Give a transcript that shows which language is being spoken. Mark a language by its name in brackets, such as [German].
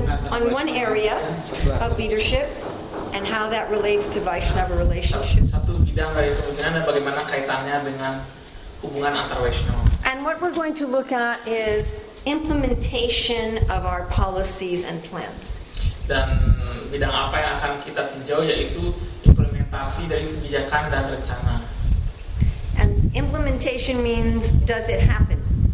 [English] On one area of leadership and how that relates to Vaishnava relationships. [Indonesian] Satu bidang dari kepemimpinan dan bagaimana kaitannya dengan hubungan antar Vaishnava. [English] And what we're going to look at is implementation of our policies and plans. [Indonesian] Dan bidang apa yang akan kita tinjau yaitu implementasi dari kebijakan dan rencana. [English] And implementation means does it happen?